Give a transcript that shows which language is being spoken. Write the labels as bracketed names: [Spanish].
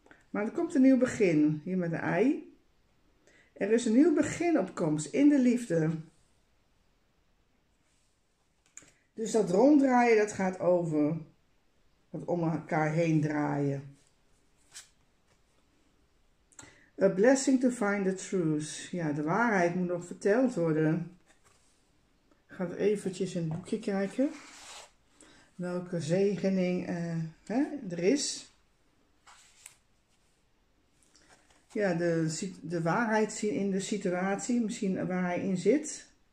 [Dutch] Maar er komt een nieuw begin, hier met een ei. Er is een nieuw begin op komst in de liefde. Dus dat ronddraaien, dat gaat over. Dat om elkaar heen draaien. [English] A blessing to find the truth. [Dutch] Ja, de waarheid moet nog verteld worden. Ik ga eventjes in het boekje kijken. Welke zegening er is. Ja, de waarheid zien in de situatie. Misschien waar hij in zit.